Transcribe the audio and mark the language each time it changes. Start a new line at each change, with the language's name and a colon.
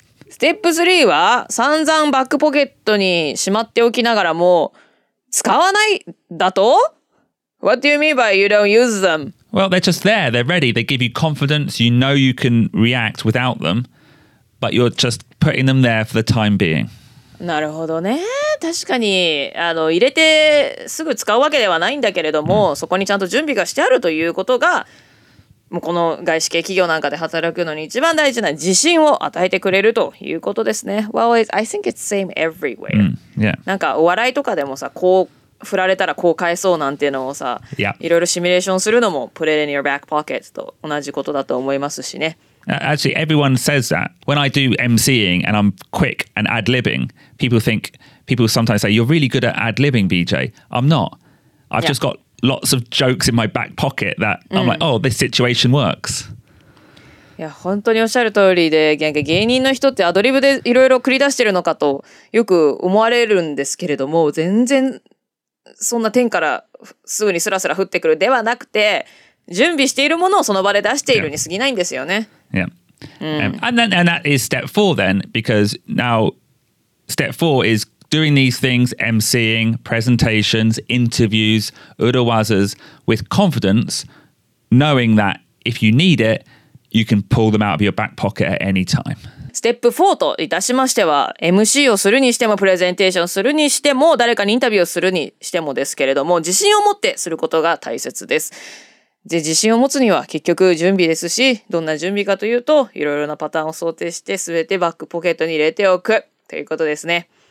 English: Step three
Japanese: は散々バックポケットにしまっておきながらも使わないだと?
English: What do you mean by you don't use them? Well, they're just there. They're ready. They give you confidence. You know you can react without them. But you're just putting them there for the time being.
Japanese: なるほどね。確かに、あの、入れてすぐ使うわけではないんだけれども、そこにちゃんと準備がしてあるということが、もうこの外資系企業なんかで働くのに一番大事な自信を与えてくれるということですね。
English: Well, I think it's same everywhere. Yeah.
Japanese: なんかお笑いとかでもさ、こう振られたらこう返そうなんていうのをさ、
English: yeah.
Japanese: いろいろシミュレーションするのも
English: put it in your back pocket
Japanese: と同じことだと思いますしね。
English: Actually, everyone says that. When I do emceeing and I'm quick and ad-libbing, people sometimes say, you're really good at ad-libbing, BJ. I'm not. I've、yeah. just got lots of jokes in my back pocket that、mm. I'm like, oh, this situation works.
Japanese: いや、本当におっしゃる通りで、芸人の人ってアドリブでいろいろ繰り出してるのかとよく思われるんですけれども、全然そんな天からすぐにスラスラ降ってくるではなくて、準備しているものをその場で出しているに過ぎないんですよね。
English: Yeah. Yeah.、And that is step four then, because now step four is doing these things, emceeing, presentations, interviews, urawazas with confidence, knowing that if you need it, you can pull them out of your back pocket at any time. Step four
Japanese: といたしましては、MC をするにしても、プレゼンテーションするにしても、誰かにインタビューをするにしてもですけれども、自信を持ってすることが大切です。で自信を持つには結局準備ですし、どんな準備かというと、いろいろなパターンを想定して全てバックポケットに入れておくということですね。